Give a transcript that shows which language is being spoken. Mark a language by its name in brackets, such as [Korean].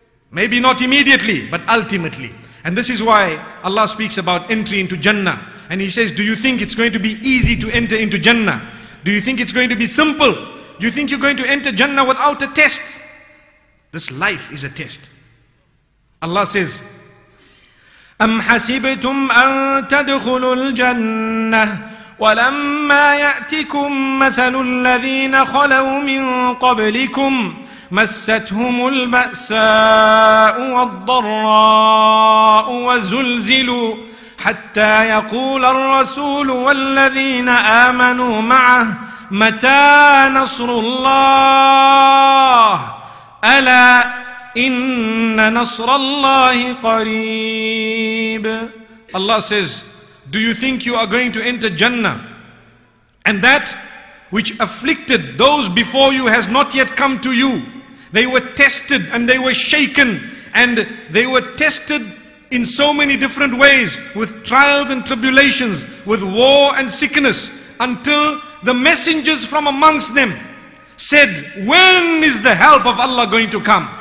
[English] Maybe not immediately, but ultimately. And this is why Allah speaks about entry into Jannah. And He says, do you think it's going to be easy to enter into Jannah? Do you think it's going to be simple? Do you think you're going to enter Jannah without a test? This life is a test. Allah says, [Arabic] أَمْ حَسِبْتُمْ أَن تَدْخُلُوا الْجَنَّةِ ولما يأتكم مثل الذين خلوا من قبلكم مستهم البأساء والضراء وزلزلوا حتى يقول الرسول والذين آمنوا معه متى نصر الله ألا إن نصر الله قريب. [English] Allah says, do you think you are going to enter Jannah and that which afflicted those before you has not yet come to you? They were tested and they were shaken, and they were tested in so many different ways, with trials and tribulations, with war and sickness, until the messengers from amongst them said, when is the help of Allah going to come?